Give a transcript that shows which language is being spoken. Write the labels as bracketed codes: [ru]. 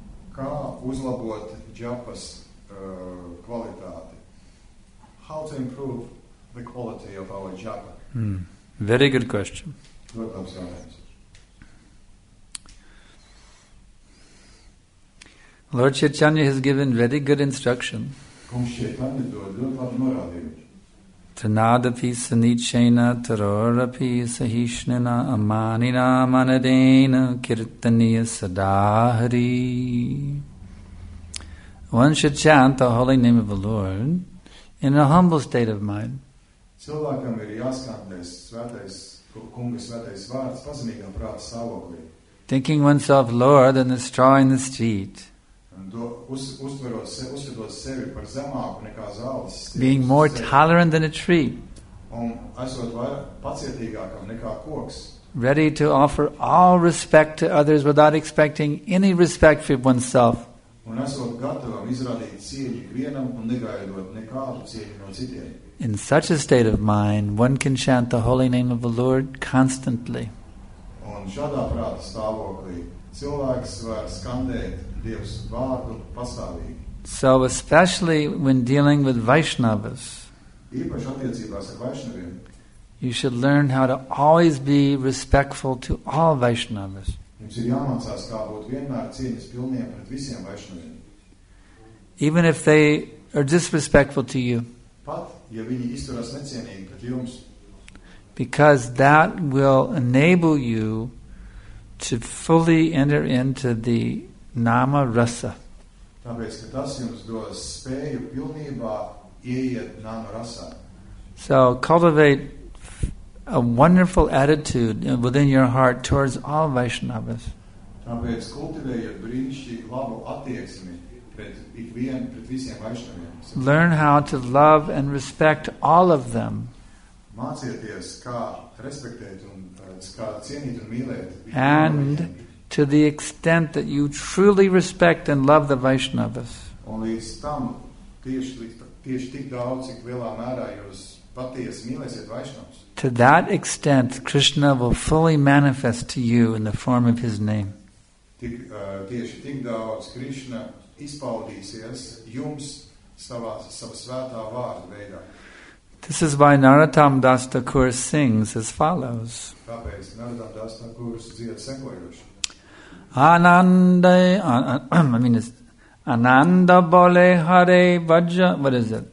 [lv] Kā uzlabot džapas kvalitāti? [en] How to improve the quality of our japa? Very good question. Lord Chaitanya has given very good instruction. [sa] Tanadapi sanichena tarorapi sahishnina amanina manadena kirtaniya sadahari. [en] One should chant the holy name of the Lord in a humble state of mind. [lv] Cilvēkam ir jāskatnēs svētais, kunga svētais vārds, pazemīgam prāta savoklī. [en] Thinking oneself lower than the straw in the street. [lv] Uzvedot sevi par zemāku nekā zāles. [en] Being more tolerant than a tree. [lv] Un esot pacietīgākam nekā koks. [en] Ready to offer all respect to others without expecting any respect for oneself. [lv] Un esot gatavam izrādīt cieņu vienam un negaidot nekādu cieņu no citiem. [en] In such a state of mind, one can chant the holy name of the Lord constantly. [lv] Un šādā prāta stāvoklī cilvēks var skandēt Dievs vārdu pastāvīgi. [en] So especially when dealing with Vaishnavas, [lv] īpaši attiecībās ar Vaishnaviem, [en] you should learn how to always be respectful to all Vaishnavas. [lv] Jums ir jāmācās, kā būt vienmēr cieņas pilniem pret visiem Vaishnaviem. [en] Even if they are disrespectful to you, [lv] pat ja viņi izturās necienīgi pret jums, [en] because that will enable you to fully enter into the nama rasa. [lv] Tāpēc, ka tas jums dos spēju pilnībā ieiet nama rasā. [en] So cultivate a wonderful attitude within your heart towards all Vaishnavas. [lv] Tāpēc kultivējot brīnišķīgu labu attieksmi pret ikvienu, pret visiem Vaishnaviem. [en] Learn how to love and respect all of them. [lv] Mācieties, kā respektēt un kā cienīt un mīlēt. [en] And to the extent that you truly respect and love the Vaishnavas. [lv] Un līdz tam, tieši tik daudz, cik lielā mērā jūs patiesi mīlēsiet Vaishnavas. [en] To that extent, Krishna will fully manifest to you in the form of his name. [lv] Tieši tik daudz Krishna izpaudīsies jums savā svētā vārda veidā. [en] This is why Narottam Das Thakur sings as follows. [lv] Tāpēc Narottam Das Thakur dzied sekojoši. Ananda bole hare vajja, [en] what is it?